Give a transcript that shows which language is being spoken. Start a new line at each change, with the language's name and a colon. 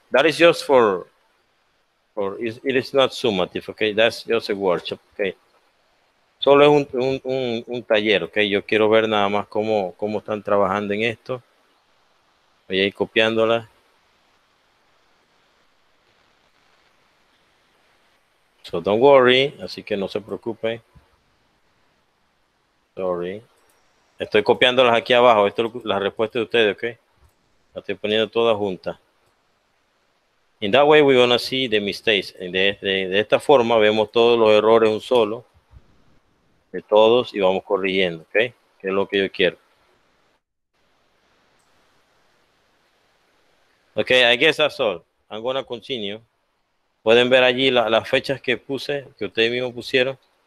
English: That is just for it is not summative, okay? That's just a workshop, okay?
Spanish: Solo es un taller, ¿ok? Yo quiero ver nada más cómo están trabajando en esto. Voy a ir copiándola.
English: So don't worry,
Spanish: así que no se preocupe. Sorry. Estoy copiándolas aquí abajo. Esto es la respuesta de ustedes, ¿ok? La estoy poniendo toda junta.
English: In that way we're gonna see the mistakes.
Spanish: De esta forma vemos todos los errores un solo. De todos y vamos corrigiendo, ¿ok? Que es lo que yo quiero.
English: Ok, I guess that's all. I'm gonna continue.
Spanish: Pueden ver allí las fechas que puse, que ustedes mismos pusieron.